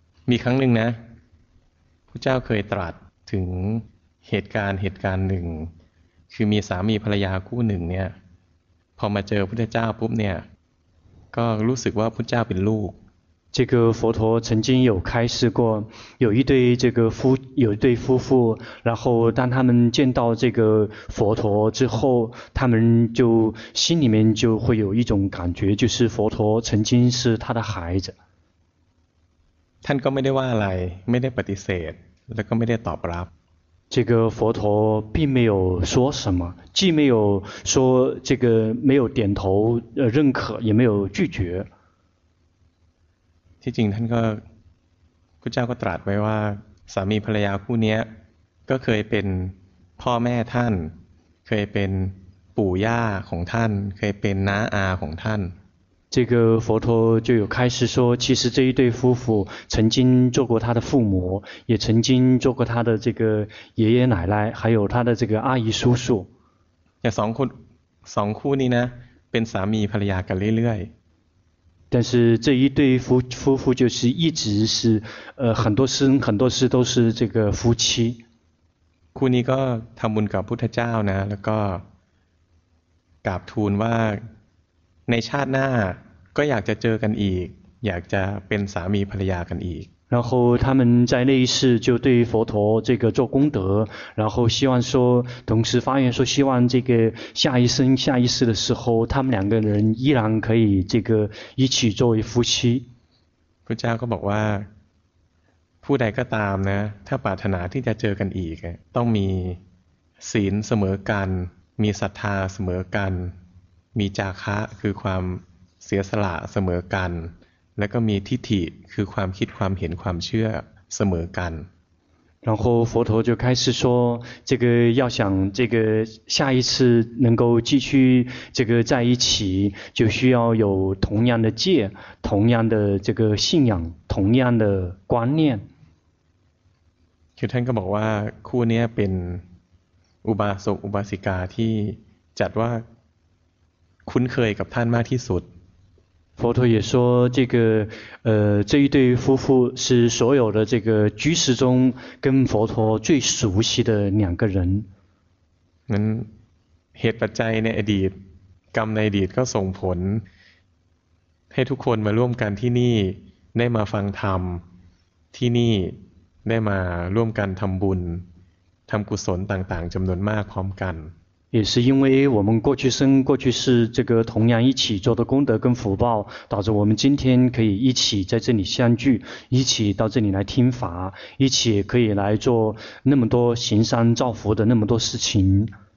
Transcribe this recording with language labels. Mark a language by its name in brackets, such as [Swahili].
[Thai] มีครั้งหนึ่งนะพระเจ้าเคยตรัสถึงเหตุการณ์หนึ่งคือมีสามีภรรยาคู่หนึ่งเนี่ยพอมาเจอพุทธเจ้าปุ๊บเนี่ยก็รู้สึกว่าพุทธเจ้าเป็นลูก [Chinese] 这个佛陀曾经有开示过有一对这个夫有一对夫妇然后当他们见到这个佛陀之后他们就心里面就会有一种感觉就是佛陀曾经是他的孩子 [Thai] ท่านก็ไม่ได้ว่าอะไรไม่ได้ปฏิเสธแล้วก็ไม่ได้ตอบรับ [Chinese] 这个佛陀并没有说什么既没有说这个没有点头认可也没有拒绝 [Thai] ที่จริงท่านก็พุทธเจ้าก็ตรัสไว้ว่าสามีภรรยาคู่นี้ก็เคยเป็นพ่อแม่ท่านเคยเป็นปู่ย่าของท่านเคยเป็นน้าอาของท่าน [Chinese] 这个佛陀就有开始说其实这一对夫妇曾经做过他的父母也曾经做过他的这个爷爷奶奶还有他的这个阿姨叔叔 [Thai] สองคู่นี้นะเป็นสามีภรรยากันเรื่อยๆ [Chinese] 但是这一对夫妇就是一直是很多事都是这个夫妻 [Thai] คู่นี้ก็ทำบุญกับพุทธเจ้านะแล้วก็กราบทูลว่าในชาติหน้าก็อยากจะเจอกันอีกอยากจะเป็นสามีภรรยากันอีก [Chinese] 然后他们在那一世就对佛陀这个做功德然后希望说同时发愿说希望这个下一世的时候他们两个人依然可以这个一起作为夫妻 [Thai] พุทธเจ้าก็บอกว่าผู้ใดก็ตามนะถ้าปรารถนาที่จะเจอกันอีกต้องมีศีลเสมอกันมีศรัทธาเสมอกันมีจาคะคือความเสียสละเสมอกันและก็มีทิฏฐิคือความคิดความเห็นความเชื่อเสมอกัน [Chinese] 然后佛陀就开始说这个要想这个下一次能够继续这个在一起就需要有同样的戒同样的这个信仰同样的观念 [Thai] คือท่านก็บอกว่าคู่นี้เป็นอุบาสกอุบาสิกาที่จัดว่าคุ้นเคยกับท่านมากที่สุด [Chinese] 佛陀也说这个这一对夫妇是所有的这个居士中跟佛陀最熟悉的两个人 [Thai] นั้นเหตุปัจจัยในอดีตกรรมในอดีตก็ส่งผลให้ทุกคนมาร่วมกันที่นี่ได้มาฟังธรรมที่นี่ได้มาร่วมกันทำบุญทำกุศลต่างๆจำนวนมากพร้อมกัน [Chinese] 也是因为我们过去生过去世这个同样一起做的功德跟福报，导致我们今天可以一起在这里相聚，一起到这里来听法，一起可以来做那么多行善造福的那么多事情。